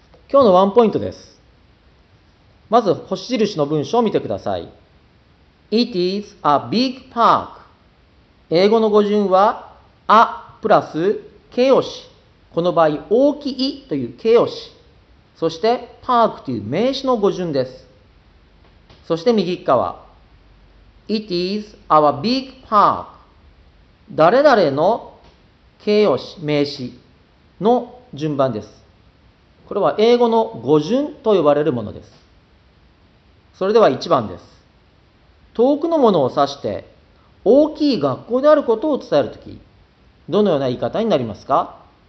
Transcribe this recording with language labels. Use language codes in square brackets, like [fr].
[ja] 今日のワンポイントです。まず星印の文章を見てください。 [en] It is a big park. [ja] 英語の語順は a プラス形容詞、この場合大きいという形容詞、そして park という名詞の語順です。 [en] そして右側、 It is our big park. [ja] 誰々の形容詞、名詞の順番です。これは英語の語順と呼ばれるものです。それでは1番です。遠くのものを指して大きい学校であることを伝えるとき、どのような言い方になりますか？